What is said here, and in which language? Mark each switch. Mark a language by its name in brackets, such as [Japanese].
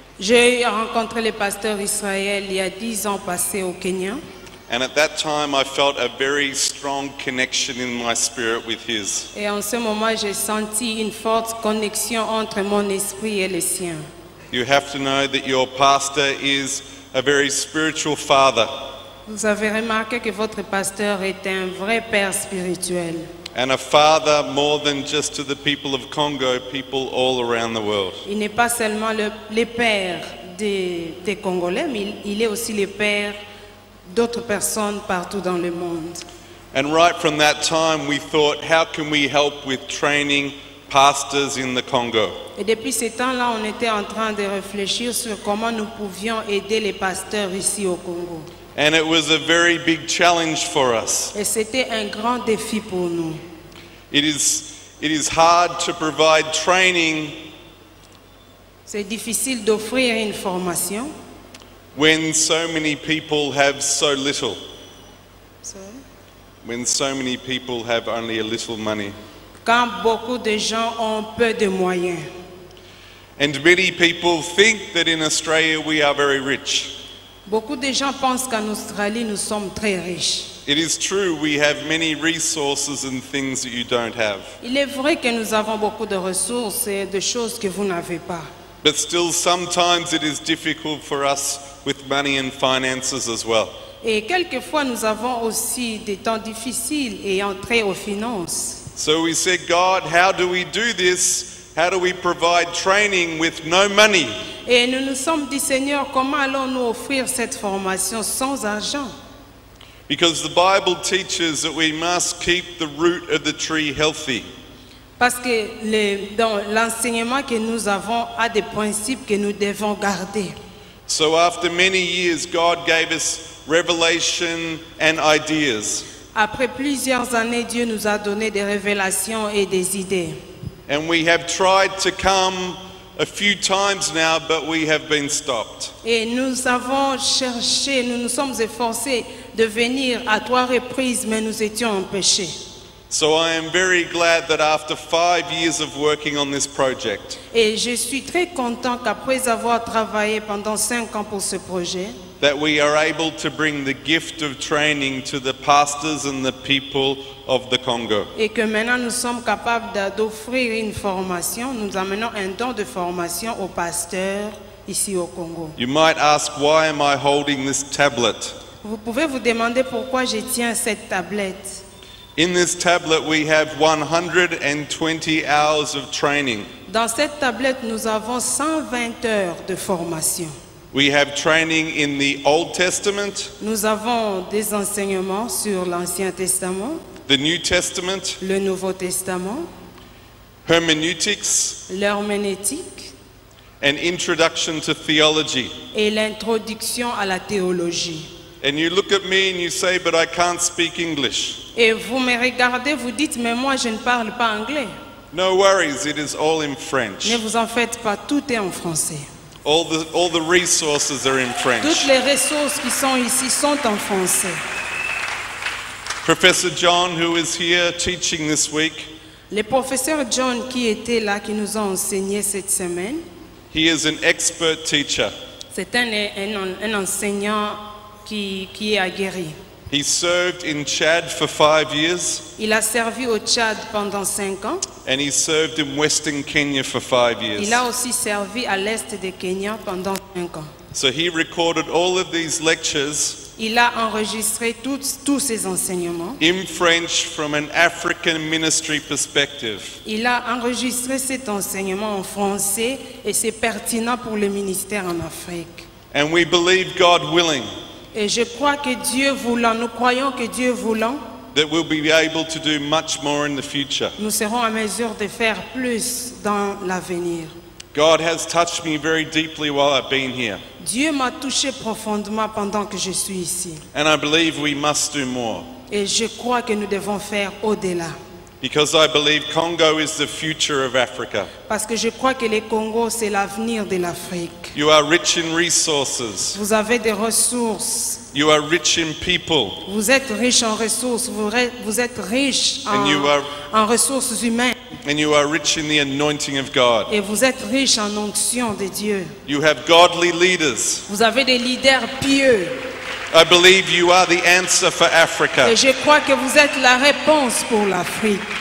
[French] J'ai rencontré le pasteur Israël il y a 10 ans passé au Kenya. [English] And at that time I felt a very strong connection in my spirit with his. [French] Et en ce moment, j'ai senti une forte connexion entre mon esprit et le sien. [English] You have to know that your pastor is a very spiritual father. [French] Vous avez remarqué que votre pasteur est un vrai père spirituel. [English] And a father more than just to the people of Congo, people all around the world. [French] Il n'est pas seulement le père des Congolais, mais il est aussi le père d'autres personnes partout dans le monde. [English] And right from that time, we thought, how can we help with training pastors in the Congo? [French] Et depuis ce temps-là, on était en train de réfléchir sur comment nous pouvions aider les pasteurs ici au Congo. [English] And it was a very big challenge for us. [French] Et c'était un grand défi pour nous. [English] It is hard to provide training. [French] C'est difficile d'offrir une formation. [English] When so many people have so little. Sorry? When so many people have only a little money. [French] Quand beaucoup de gens ont peu de moyens. [English] And many people think that in Australia we are very rich. [French] Beaucoup de gens pensent qu'en Australie, nous sommes très riches. [English] It is true, we have many resources and things that you don't have. [French] Il est vrai que nous avons beaucoup de ressources et de choses que vous n'avez pas. [English] But still, sometimes it is difficult for us with money and finances as well. [French] Et quelquefois, nous avons aussi des temps difficiles ayant trait aux finances. [English] So we said, God, how do we do this? How do we provide training with no money? [French] Et nous nous sommes dit, Seigneur, comment allons-nous offrir cette formation sans argent? [English] Because the Bible teaches that we must keep the root of the tree healthy. [French] Parce que l'enseignement que nous avons a des principes que nous devons garder. [English] So after many years, God gave us revelation and ideas. [French] Après plusieurs années, Dieu nous a donné des révélations et des idées. [English] And we have tried to come a few times now, but we have been stopped. [French] Et nous avons cherché, nous nous sommes efforcés de venir à trois reprises, mais nous étions empêchés. [English] So I am very glad that after 5 years of working on this project. [French] Et je suis très content qu'après avoir travaillé pendant 5 ans pour ce projet, [English] that we are able to bring the gift of training to the pastors and the people of the Congo. [French] Et que maintenant nous sommes capables d'offrir une formation, nous amenons un don de formation aux pasteurs ici au Congo. [English] You might ask, why am I holding this tablet? [French] Vous pouvez vous demander pourquoi je tiens cette tablette. [English] In this tablet we have 120 hours of training. [French] Dans cette tablette nous avons 120 heures de formation. [English] We have training in the Old Testament. [French] Nous avons des enseignements sur l'Ancien Testament. [English] The New Testament. [French] Le Nouveau Testament. [English] Hermeneutics. [French] L'herméneutique. [English] An introduction to theology. [French] Et l'introduction à la théologie. [English] And you look at me and you say, but I can't speak English. [French] Et vous me regardez, vous dites, mais moi je ne parle pas anglais. [English] No worries, it is all in French. [French] Ne vous en faites pas, tout est en français. [English] All the resources are in French. [French] Toutes les ressources qui sont ici sont en français. [English] Professor John, who is here teaching this week. [French] Le professeur John qui était là, qui nous a enseigné cette semaine. [English] He is an expert teacher. [French] C'est un enseignant qui est aguerri. [English] He served in Chad for 5 years. [French] Il a servi au Tchad pendant 5 ans. [English] And he served in Western Kenya for 5 years. [French] Il a aussi servi à l'est de Kenya pendant 5 ans. [English] So he recorded all of these lectures. [French] Il a enregistré tous ces enseignements. [English] In French from an African ministry perspective. [French] Il a enregistré cet enseignement en français et c'est pertinent pour le ministère en Afrique. [English] And we believe God willing. [French] Et je crois que Dieu voulant, nous croyons que Dieu voulant, [English] that we'll be able to do much more in the future. [French] Nous serons en mesure de faire plus dans l'avenir. [English] God has touched me very deeply while I've been here. [French] Dieu m'a touché profondément pendant que je suis ici. [English] And I believe we must do more. [French] Et je crois que nous devons faire au-delà. [English] Because I believe Congo is the future of Africa. [French] Parce que je crois que le Congo c'est l'avenir de l'Afrique. [English] You are rich in resources. [French] Vous avez des ressources. [English] You are rich in people. [French] Vous êtes riche en ressources. Vous êtes riche en ressources humaines. [English] And you are rich in the anointing of God. [French] Et vous êtes riche en onction de Dieu. [English] You have godly leaders. [French] Vous avez des leaders pieux. [English] I believe you are the answer for Africa. [French] Et je crois que vous êtes la réponse pour l'Afrique.